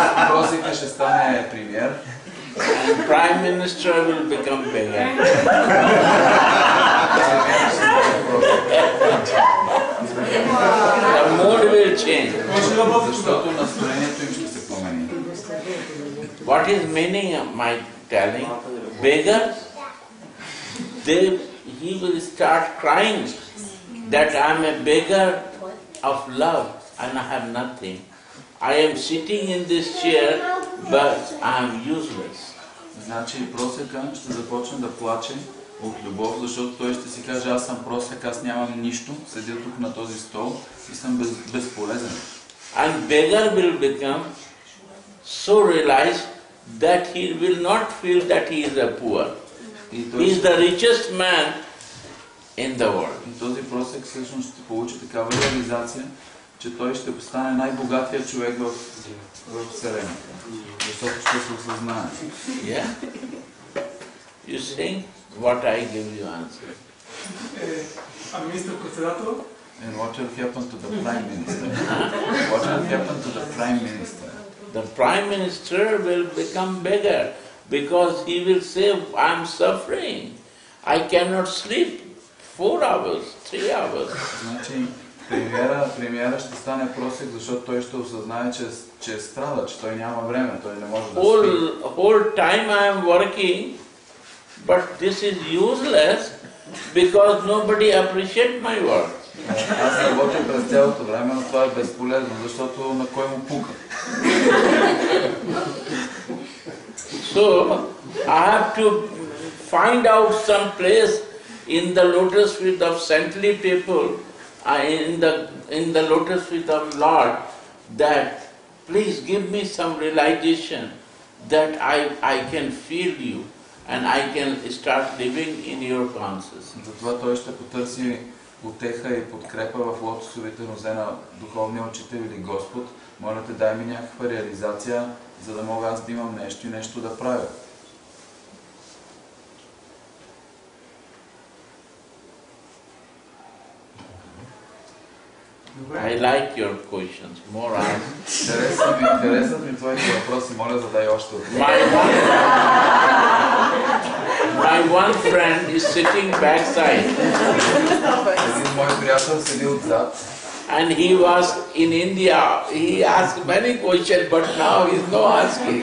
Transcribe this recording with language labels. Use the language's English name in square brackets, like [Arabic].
[Bulgarian] Prozika ще стане премиер. [English] And prime minister will become beggar. The mood will change. [Bulgarian] Защото настроението им ще се промени. [English] What is meaning my telling? Beggar, he will start crying that I am a beggar of love and I have nothing. I am sitting in this chair, but I am useless. [Bulgarian] Значи просекът ще започне да плаче от любов, защото той ще си каже, аз съм просек, аз нямам нищо, седя тук на този стол и съм безполезен. [English] And beggar will become so realized that he will not feel that he is a poor. He is the richest man in the world. [Bulgarian] И този просек всъщност ще получи такава реализация, че той ще стане най-богатия човек в Вселената. Защото ще се осъзнае. [English] Yeah? You see? What I give you answer. [Bulgarian] Министър-председател? [English] And what will happen to the Prime Minister? What will happen to the Prime Minister? The Prime Minister will become beggar because he will say, I'm suffering. I cannot sleep 4 hours, 3 hours. [Bulgarian] Значи, премиера ще стане просек, защото той ще осъзнае, че страда, че той няма време, той не може да спи. [English] Whole time I am working, but this is useless because nobody appreciates my work. [Bulgarian] Аз работя през цялото време, но това е безполезно, защото на кой му пука? [English] So, I have to find out some place in the lotus feet of saintly people, in the lotus feet of Lord, that please give me some realization that I can feel you and I can start living in your consciousness. [Bulgarian] Затова той ще потърси утеха и подкрепа в лотосовете нозе на духовния учител или Господ. Моля те, дай ми някаква реализация, за да мога аз да имам нещо и нещо да правя. [English] I like your questions. More ask. [Bulgarian] Интересат ми твоите въпроси. Моля, задай още от [English] My one friend is sitting backside. [Bulgarian] Един мой приятел седи отзад. [English] And he was in India. He asked many questions, but now he's no asking.